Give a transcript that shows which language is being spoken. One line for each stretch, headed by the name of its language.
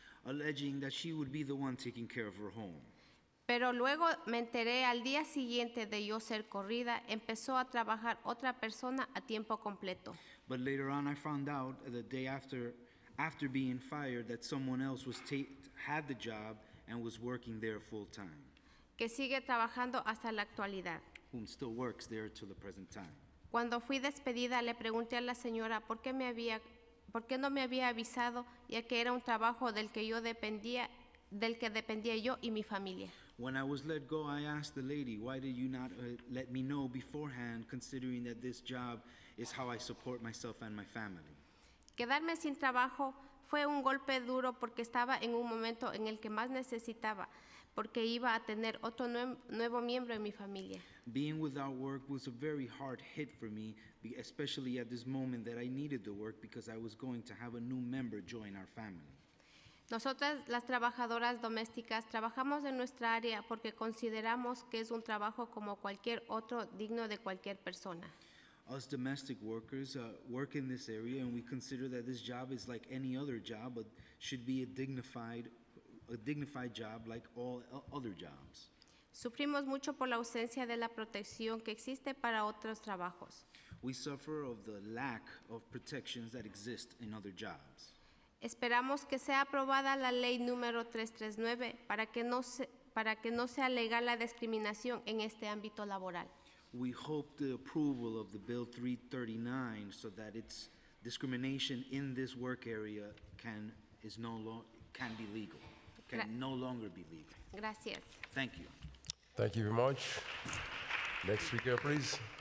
English: Alleging that she would be the one taking care of her home.
Spanish: Pero luego me enteré al día siguiente de yo ser corrida, empezó a trabajar otra persona a tiempo completo.
English: But later on, I found out the day after being fired that someone else had the job and was working there full time.
Spanish: Que sigue trabajando hasta la actualidad.
English: Whom still works there to the present time.
Spanish: Cuando fui despedida, le pregunté a la señora por qué no me había avisado, ya que era un trabajo del que dependía yo y mi familia.
English: When I was let go, I asked the lady, why did you not let me know beforehand, considering that this job is how I support myself and my family?
Spanish: Quedarme sin trabajo fue un golpe duro porque estaba en un momento en el que más necesitaba, porque iba a tener otro nuevo miembro en mi familia.
English: Being without work was a very hard hit for me, especially at this moment that I needed the work because I was going to have a new member join our family.
Spanish: Nosotras, las trabajadoras domésticas, trabajamos en nuestra área porque consideramos que es un trabajo como cualquier otro digno de cualquier persona.
English: Us domestic workers work in this area and we consider that this job is like any other job but should be a dignified job like all other jobs.
Spanish: Sufrimos mucho por la ausencia de la protección que existe para otros trabajos.
English: We suffer of the lack of protections that exist in other jobs.
Spanish: Esperamos que sea aprobada la ley número 339 para que no sea legal la discriminación en este ámbito laboral.
English: We hope the approval of the bill 339 so that its discrimination in this work area can no longer be legal.
Spanish: Gracias.
English: Thank you. Thank you very much. Next speaker, please.